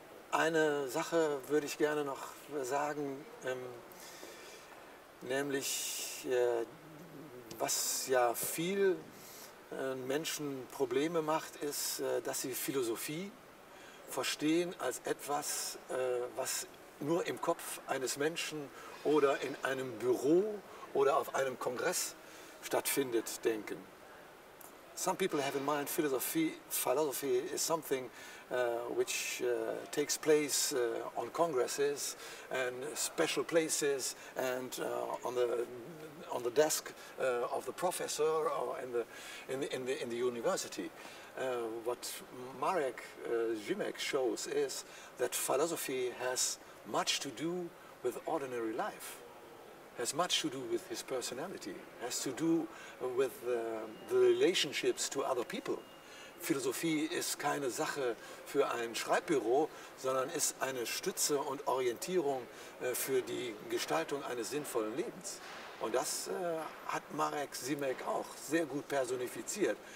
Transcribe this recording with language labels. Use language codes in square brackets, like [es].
[de] Eine Sache würde ich gerne noch sagen, nämlich, was ja vielen Menschen Probleme macht, ist, dass sie Philosophie verstehen als etwas, was nur im Kopf eines Menschen oder in einem Büro oder auf einem Kongress stattfindet, denken. [en] Some people have in mind philosophy is something which takes place on congresses and special places and on the desk of the professor or in the university. What Marek Žimek shows is that philosophy has much to do with ordinary life, has much to do with his personality, has to do with the relationships to other people. [de] Philosophie ist keine Sache für ein Schreibbüro, sondern ist eine Stütze und Orientierung für die Gestaltung eines sinnvollen Lebens. Und das hat Marek Žimek auch sehr gut personifiziert.